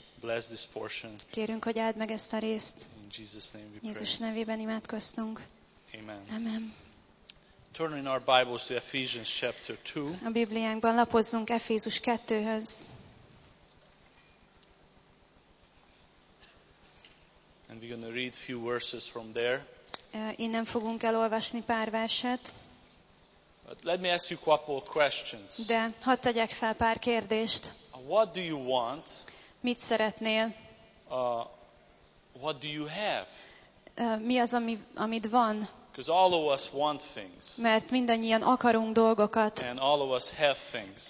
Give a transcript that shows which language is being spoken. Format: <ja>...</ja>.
<en>Bless this portion.</en> <hu>Kérünk, hogy áld meg ezt a részt.</hu> <en>In Jesus name we pray.</en> <hu>Jézus nevében imádkoztunk.</hu> <en>Amen.</en> <hu>Amen.</hu> <en>Turn in our Bibles to Ephesians chapter 2.</en> <hu>A Bibliánkban lapozzunk Efézus 2-höz.</hu> <en>And we're going to read few verses from there.</en> <hu>Innen fogunk elolvasni pár verset.</hu> <en>But let me ask you a couple questions.</en> <hu>De hadd tegyek fel pár kérdést.</hu> <en>What do you want?</en> <hu>Mit szeretnél?</hu> <en>What do you have?</en> <hu>Mi az, amit van?</hu> <en>Because all of us want things.</en> <hu>Mert mindannyian akarunk dolgokat.</hu> <en>And all of us have things.</en>